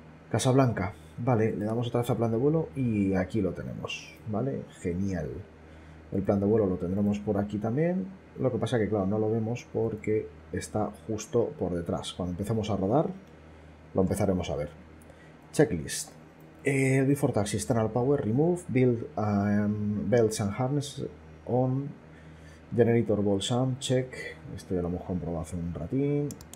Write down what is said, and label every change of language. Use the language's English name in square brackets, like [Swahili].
[Spanish] Casablanca, vale, le damos otra vez a plan de vuelo y aquí lo tenemos, vale, genial. El plan de vuelo lo tendremos por aquí también, lo que pasa que, claro, no lo vemos porque está justo por detrás. Cuando empecemos a rodar, lo empezaremos a ver. [English] Checklist. Before taxi, external power, remove belts and harness on. Generator ball sum, check. [Spanish] Esto ya lo hemos comprobado hace un ratín.